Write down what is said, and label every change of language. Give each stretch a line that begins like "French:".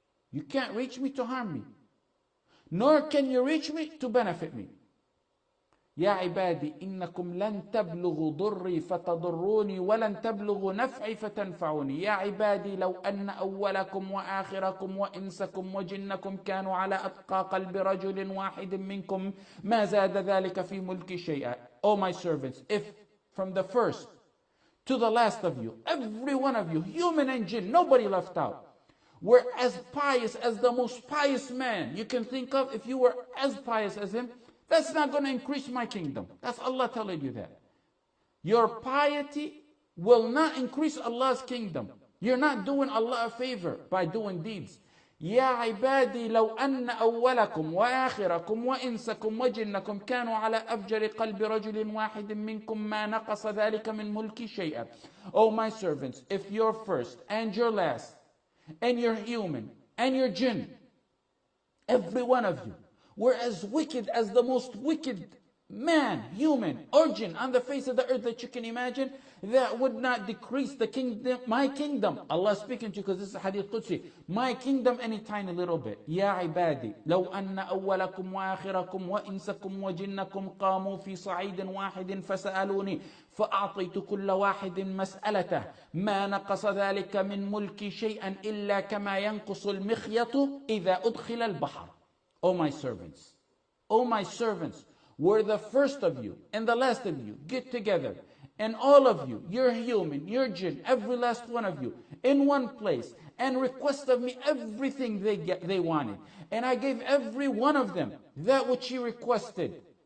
English: You can't reach me to harm me. Nor can you reach me to benefit me.
Arabic: يا عبادي إنكم لن تبلغوا ضري فتضروني ولن تبلغوا نفعي فتنفعوني. يا عبادي لو أن أولكم وآخركم وإنسكم وجنكم كانوا على أتقى قلب رجل واحد منكم ما زاد ذلك في ملكي شيئا.
English: Oh my servants, if from the first to the last of you, every one of you, human and jinn, nobody left out, were as pious as the most pious man you can think of, if you were as pious as him, that's not going to increase my kingdom. That's Allah telling you that. Your piety will not increase Allah's kingdom. You're not doing Allah a favor by doing deeds.
Arabic: يا عبادي لو أن أولكم وآخركم وإنسكم وجنكم كانوا على أفجر قلب رجل واحد منكم ما نقص ذلك من ملك شيئا.
English: Oh my servants, if you're first and you're last, and you're human and you're jinn, every one of you were as wicked as the most wicked man, human, or jinn on the face of the earth that you can imagine, that would not decrease the kingdom, my kingdom. Allah speaking to you because this is Hadith Qudsi. My kingdom, any tiny little bit.
Arabic: يا عبادي لو أن أولكم وآخركم وإنسكم وجنكم قاموا في صعيد واحد فسألوني فأعطيت كل واحد مسألته ما نقص ذلك من ملكي شيئا إلا كما ينقص المخيط إذا أدخل البحر.
English: Oh my servants, were the first of you and the last of you get together And all of you, you're human, you're jinn, every last one of you, in one place, and request of me everything they wanted. And I gave every one of them that which he requested.